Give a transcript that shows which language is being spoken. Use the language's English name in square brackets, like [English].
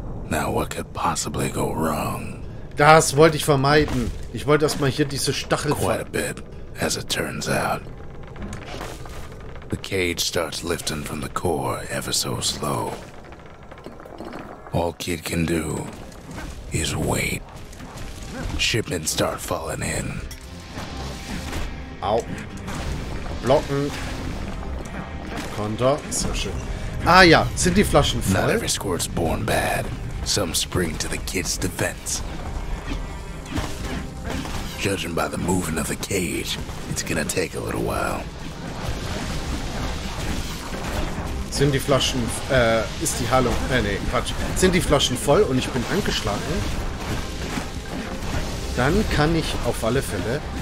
[English] Now what could possibly go wrong? [German] Das wollte ich vermeiden. Ich wollte erstmal hier diese Stachel. [English] Quite a bit, as it turns out. The cage starts lifting from the core ever so slow. All kid can do is wait. Shipments start falling in. [German] Au! Blocken. Konter. Sehr schön. Ah ja, sind die Flaschen voll? [English] Not every squirt's born bad. Some spring to the kid's defense. Judging by the movement of the cage, it's gonna take a little while. [German] Sind die Flaschen, ist die Heilung, nee, Quatsch. Sind die Flaschen voll und ich bin angeschlagen? Dann kann ich auf alle Fälle...